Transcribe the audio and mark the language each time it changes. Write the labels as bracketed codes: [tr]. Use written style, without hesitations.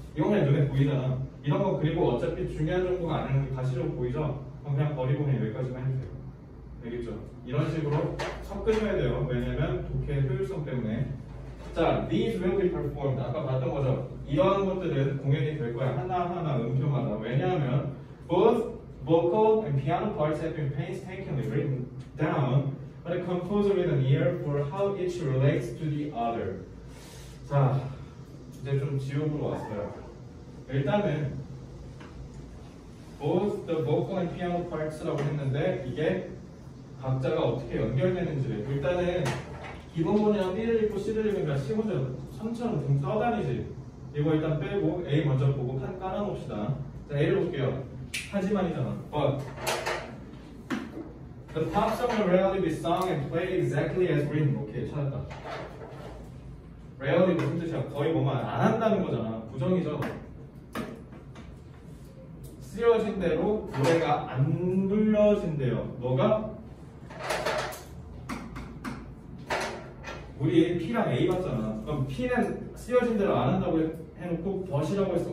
[ko] 이건 그냥 눈에 보이잖아. 이런 거 그리고 어차피 중요한 정보가 아니면 다시 좀 보이죠? 그럼 그냥 버리고 그냥 여기까지만 해주세요. 알겠죠? 이런 식으로 섞으셔야 돼요. 왜냐면 독해 효율성 때문에. [en] 자, these will be performed. [ko] 아까 봤던 거죠? 이러한 것들은 공연이 될 거야. 하나하나 음표마다. 왜냐하면 [en] both vocal and piano parts have been painstakingly written down by the composer with an ear for how each relates to the other. [ko] 자, 이제 좀 지옥으로 왔어요. 일단은 [en] both the vocal and piano parts [ko] 라고 했는데 이게 각자가 어떻게 연결되는지를 일단은 기본 문이랑 B를 읽고 C를 읽으니까 C문제 3처럼 좀 떠다니지. 이거 일단 빼고 A 먼저 보고 깔아놓읍시다. 자, A를 볼게요. 하지만이잖아. [en] But the pop song will rarely be sung and played exactly as written. [ko] 오케이, 찾았다. Rarely 무슨 뜻이야? 거의 뭐만 안 한다는 거잖아. 부정이죠. 쓰여진 대로 노래가 안 불러진대요. 뭐가? 우리 P랑 A 봤잖아. 그럼 P는 쓰여진 대로 안 한다고 해놓고 But이라고 했어.